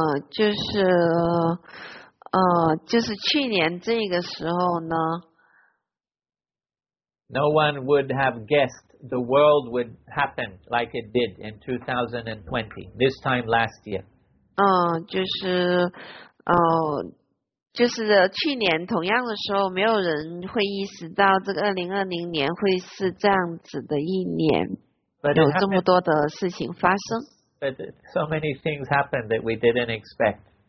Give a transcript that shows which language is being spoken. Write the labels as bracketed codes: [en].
[zh] 就是去年这个时候呢。 [en] No one would have guessed the world would happen like it did in 2020, this time last year. [zh] 就是去年同样的时候，没有人会意识到这个2020年会是这样子的一年，有这么多的事情发生。 [en] But so many things happened that we didn't expect.